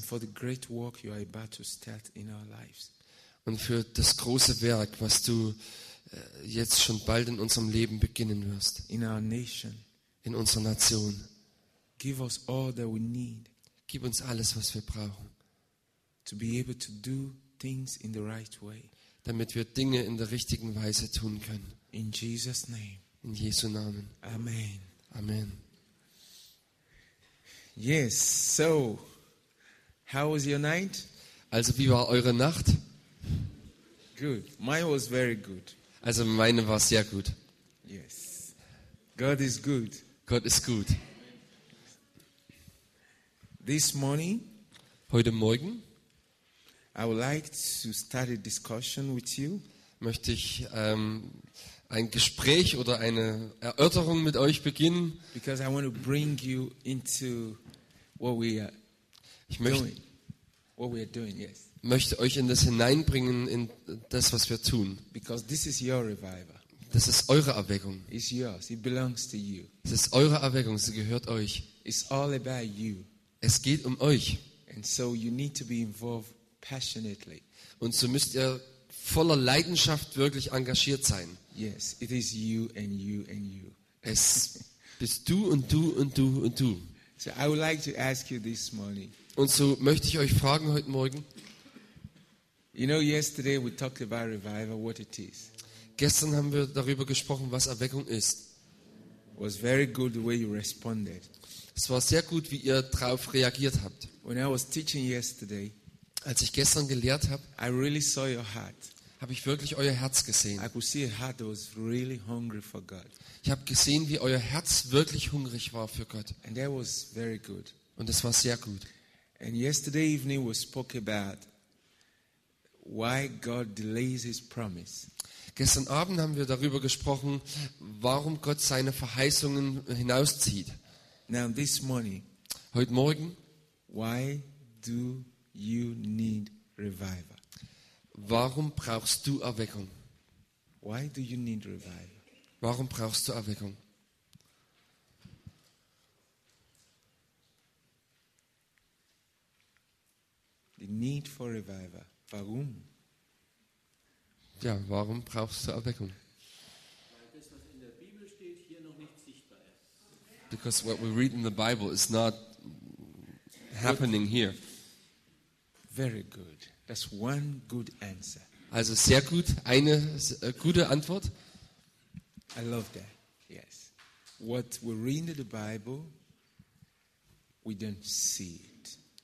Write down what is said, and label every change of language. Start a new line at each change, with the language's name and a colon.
English: And for the great work you are about to start in our lives.
German: Und für das große Werk, was du jetzt schon bald in unserem Leben beginnen wirst.
English: In our nation.
German: In unserer Nation.
English: Give us all that we need.
German: Gib uns alles, was wir brauchen.
English: To be able to do things in the right way.
German: Damit wir Dinge in der richtigen Weise tun können.
English: In Jesus' name.
German: In Jesu Namen.
English: Amen.
German: Amen.
English: Yes, so, how was your night?
German: Also, wie war eure Nacht?
English: Good. Mine was very good.
German: Also, meine war sehr gut.
English: Yes. God is good.
German: Gott ist gut.
English: This morning,
German: heute Morgen,
English: I would like to start a discussion with you.
German: Möchte ich ein Gespräch oder eine Erörterung mit euch beginnen.
English: Because I want to bring you into what we are doing. What we are doing, yes.
German: Möchte euch in das hineinbringen, in das, was wir tun.
English: Because this is your revival.
German: Das ist eure Erweckung.
English: It's yours. It belongs to you.
German: Es ist eure Erweckung. Sie gehört euch.
English: It's all about you.
German: Es geht um euch.
English: And so you need to be involved passionately.
German: Und so müsst ihr voller Leidenschaft wirklich engagiert sein.
English: Yes, it is you and you and you.
German: Es bist du und du und du und du.
English: So I would like to ask you this morning.
German: Und so möchte ich euch fragen heute Morgen.
English: You know, yesterday we talked about revival, what it is.
German: Gestern haben wir darüber gesprochen, was Erweckung ist.
English: It was very good the way you responded.
German: Es war sehr gut, wie ihr darauf reagiert habt.
English: When I was teaching yesterday,
German: als ich gestern gelehrt habe,
English: I really saw your heart.
German: Habe ich wirklich euer Herz gesehen.
English: I could see a heart that was really hungry for God.
German: Ich habe gesehen, wie euer Herz wirklich hungrig war für Gott.
English: And that was very good.
German: Und es war sehr gut.
English: And yesterday evening we spoke about why God delays his promise.
German: Gestern Abend haben wir darüber gesprochen, warum Gott seine Verheißungen hinauszieht.
English: Now this morning,
German: heute Morgen,
English: why do you need revival?
German: Warum brauchst du Erweckung?
English: Why do you need revival?
German: Warum brauchst du Erweckung?
English: The need for revival.
German: Warum? Ja, warum brauchst du Erweckung? Weil das, was in der Bibel steht, hier noch nicht sichtbar ist.
English: Because what we read in the Bible is not happening here. Very good. That's one good answer.
German: Also sehr gut, eine gute Antwort.
English: I love that. Yes. What we read in the Bible, we don't see it.